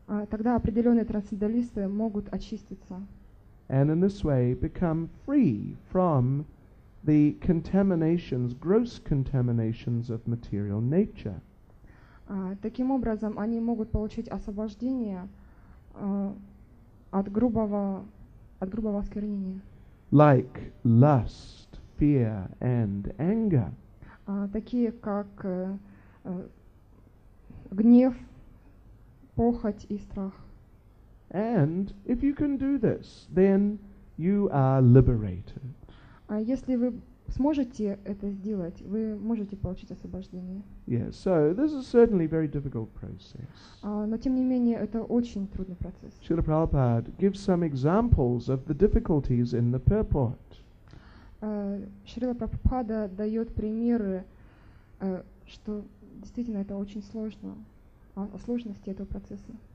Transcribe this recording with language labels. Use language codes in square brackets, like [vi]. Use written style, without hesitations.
[ru] Тогда определенные трансценденталисты могут очиститься. [en] And in this way become free from the contaminations, gross contaminations of material nature. [ru] Таким образом, они могут получить освобождение от грубого осквернения. [en] Like lust, fear, and anger. [ru] Такие как гнев, похоть и страх. [en] And if you can do this, then you are liberated. [ru] Если вы сможете это сделать, вы можете получить освобождение. [en] Yes, so this is certainly a very difficult process. [ru] Но тем не менее, это очень трудный процесс. [en] Srila Prabhupada gives some examples of the difficulties in the purport. [ru] Srila Prabhupada дает примеры, что действительно это очень сложно, о сложности этого процесса.